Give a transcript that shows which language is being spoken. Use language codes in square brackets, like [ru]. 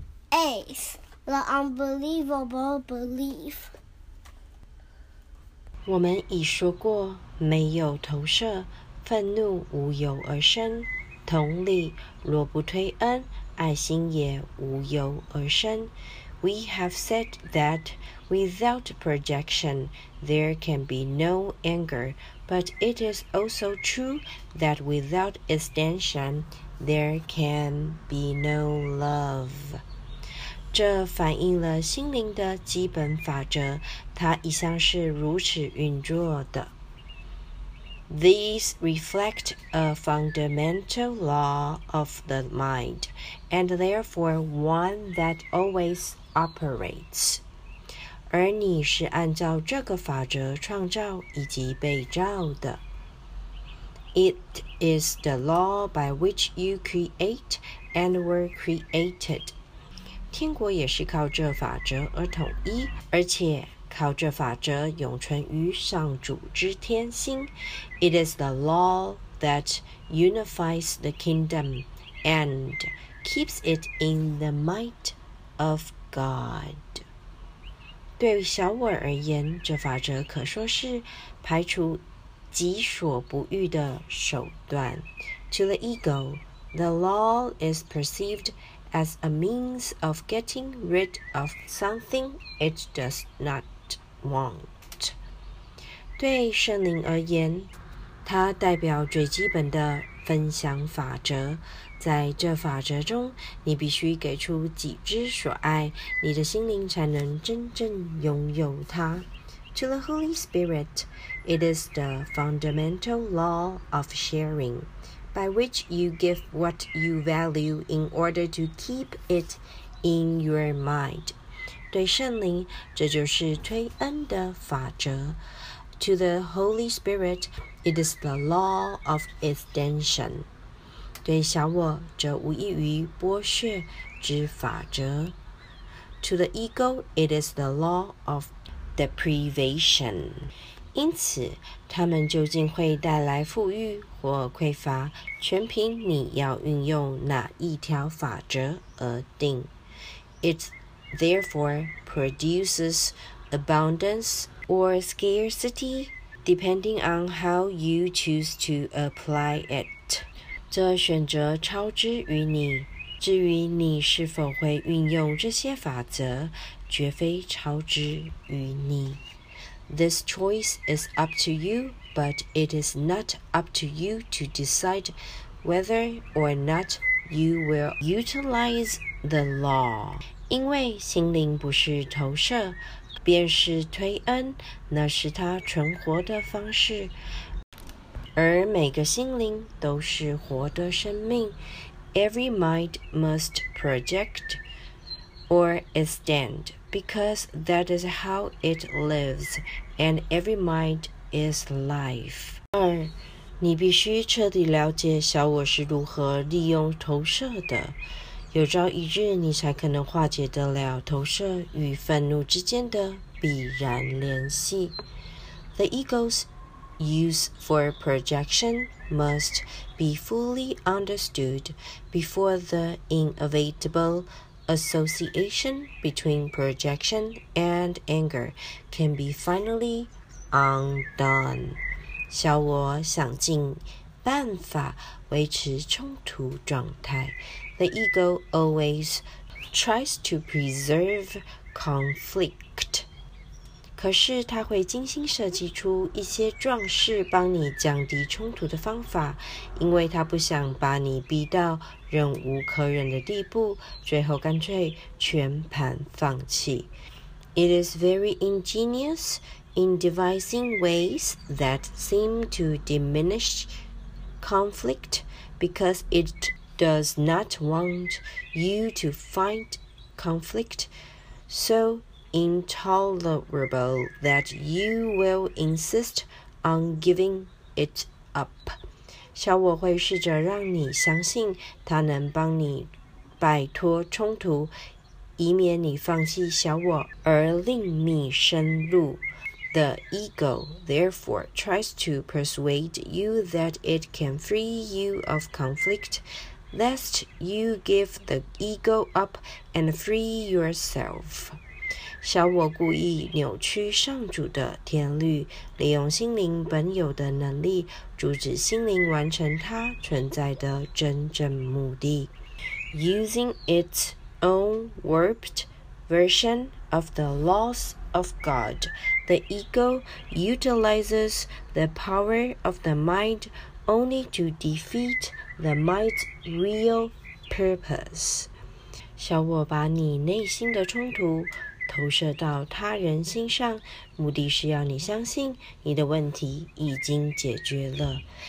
[en] Ace The Unbelievable Belief。 [zh] 我们已说过，没有投射，愤怒无由而生，同理，若不推恩，爱心也无由而生。 [en] We have said that without projection, there can be no anger, but it is also true that without extension, there can be no love. [zh] 这反映了心灵的基本法则，它一向是如此运作的。 [en] These reflect a fundamental law of the mind, and therefore one that always operates. [zh] 而你是按照这个法则创造以及被造的。 [en] It is the law by which you create and were created. [zh] 天国也是靠这法则而统一，而且靠这法则永存于上主之天心。 [en] It is the law that unifies the kingdom and keeps it in the might of God. [zh] 对小我而言，这法则可说是排除己所不欲的手段。 [en] To the ego, the law is perceived as a means of getting rid of something it does notWant. [zh] 对圣灵而言，它代表最基本的分享法则。在这法则中，你必须给出己之所爱，你的心灵才能真正拥有它。 [en] To the Holy Spirit, it is the fundamental law of sharing, by which you give what you value in order to keep it in your mind. [zh] 对圣灵，这就是推恩的法则。 [en] To the Holy Spirit, it is the law of extension. [zh] 对小我，这无异于剥削之法则。 [en] To the ego, it is the law of deprivation. [zh] 因此，他们究竟会带来富裕或匮乏，全凭你要运用哪一条法则而定。 [en] Therefore, produces abundance or scarcity, depending on how you choose to apply it. [zh] 这选择超之于你，至于你是否会运用这些法则，绝非超之于你。 [en] This choice is up to you, but it is not up to you to decide whether or not you will utilize the law. [zh] 因为心灵不是投射，便是推恩，那是它存活的方式。而每个心灵都是活的生命。 [en] Every mind must project or extend, because that is how it lives, and every mind is life. [zh] 二，你必须彻底了解小我是如何利用投射的。有朝一日，你才可能化解得了投射与愤怒之间的必然联系。 [en] The ego's use for projection must be fully understood before the inevitable association between projection and anger can be finally undone. [zh] 小我想尽办法维持冲突状态。 [en] The ego always tries to preserve conflict. [zh] 可是它会精心设计出一些壮士帮你降低冲突的方法，因为它不想把你逼到忍无可忍的地步，最后干脆全盘放弃。 [en] It is very ingenious in devising ways that seem to diminish conflict because it does not want you to find conflict so intolerable that you will insist on giving it up. [zh] 小我会试着让你相信它能帮你摆脱冲突，以免你放弃小我而另觅深入。 [en] The ego, therefore, tries to persuade you that it can free you of conflict, lest you give the ego up and free yourself. [zh] 小我故意扭曲上主的天律，利用心灵本有的能力，阻止心灵完成它存在的真正目的。 [en] Using its own warped version of the laws of God,The ego utilizes the power of the mind only to defeat the mind's real purpose. [zh] 小我把你内心的冲突投射到他人心上，目的是要你相信你的问题已经解决了。